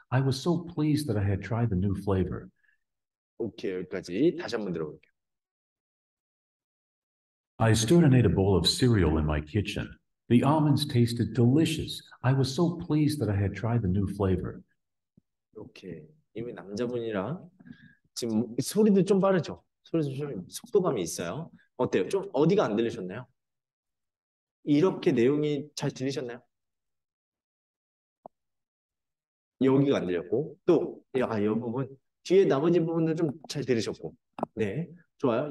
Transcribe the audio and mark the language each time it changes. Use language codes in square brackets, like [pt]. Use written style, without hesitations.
[en] I was so pleased that I had tried the new flavor. [ko] 오케이, 여기까지 다시 한번 들어볼게요. [en] I stood and ate a bowl of cereal in my kitchen. The almonds tasted delicious. I was so pleased that I had tried the new flavor. [ko] 오케이, 이미 남자분이랑 지금 소리도 좀 빠르죠? 소리도 좀 속도감이 있어요. 어때요? 좀 어디가 안 들리셨나요? 이렇게 내용이 잘 들리셨나요? 여기가 안 들렸고 또 이 부분 뒤에 나머지 부분은 좀잘 들으셨고. 네, 좋아요.